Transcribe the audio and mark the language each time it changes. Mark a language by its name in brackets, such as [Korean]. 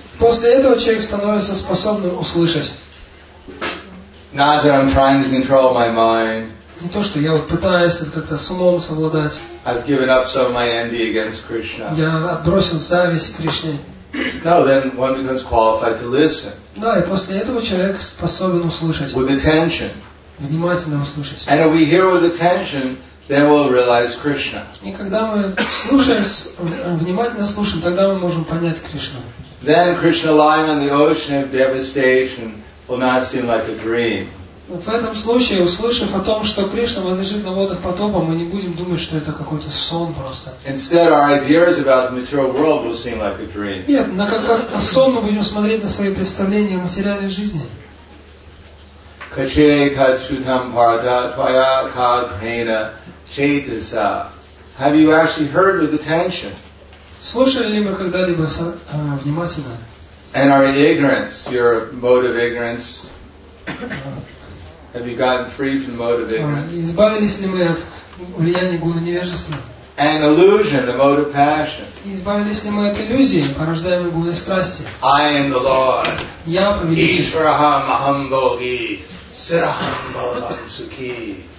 [Russian] После этого человек становится способным услышать. [English] Not that I'm trying to control my mind. [Russian] Не то, что я вот пытаюсь тут как-то с умом совладать. [English] I've given up some of my envy against Krishna. [Russian] Я отбросил зависть к Кришне. [English] No, then one becomes qualified to listen. [Russian] Да, и после этого человек способен услышать. [English] With attention. [Russian] Внимательно услышать. [English] And if we hear with attention, then we'll realize Krishna. [Russian] И когда мы слушаем, внимательно слушаем, тогда мы можем понять Кришну. [English] Then Krishna lying on the ocean of devastation will not seem like a dream. [Russian] В этом случае, услышав о том, что Кришна возлежит на водах потопа, мы не будем думать, что это какой-то сон просто. [English] Instead, our ideas about the material world will seem like a dream. [Russian] Нет, на сон мы будем смотреть на свои представления о материальной жизни. [Sanskrit] Качире качутам парта твая кагхена чейтаса. [English] Have you actually heard with attention? [Russian] Слушали ли мы когда-либо внимательно? [English] And our ignorance, your mode of ignorance. Have you gotten free from the mode of ignorance? [Russian] Избавились ли мы от влияния гуны невежества? [English] And illusion, the mode of passion. [Russian] Избавились ли мы от иллюзии, порождаемой гуной страсти? [English] I am the Lord. [Russian] Я победитель. [Sanskrit] Ishraham aham bhogi, siraham bhogam sukhi.